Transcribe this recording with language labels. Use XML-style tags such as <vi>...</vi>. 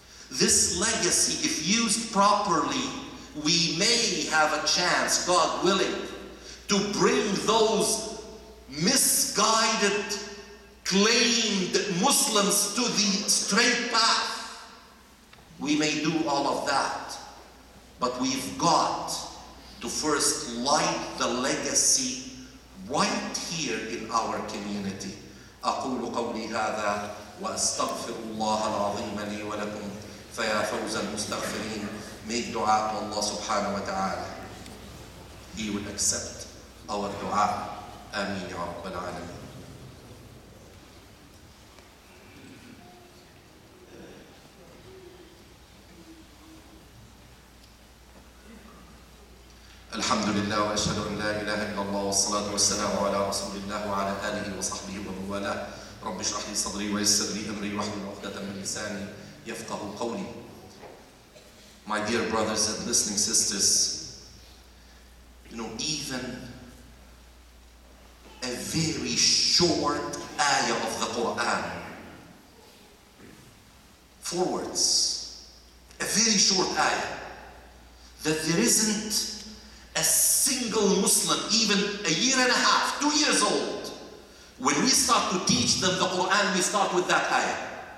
<en>This legacy, if used properly, we may have a chance, God willing, to bring those misguided, claimed Muslims to the straight path. We may do all of that, but we've got to first light the legacy right here in our community.</en> <ar>أقول قولي هذا وأستغفر الله العظيم لي ولكم فيا فوز المستغفرين.</ar> <en>Make dua to Allah subhanahu wa ta'ala. He will accept our dua.</en> <ar>آمين يا رب العالمين. الحمد لله وأشهد أن لا إله إلا الله والصلاة والسلام على رسول الله وعلى آله وصحبه ومن والاه. رب اشرح لي صدري ويسر لي أمري واحلل عقدة من لساني يفقه قولي.</ar> <en>My dear brothers and listening sisters, you know, even a very short ayah of the Quran, four words, a very short ayah, that there isn't a single Muslim, even a year and a half, 2 years old, when we start to teach them the Quran, we start with that ayah.</en>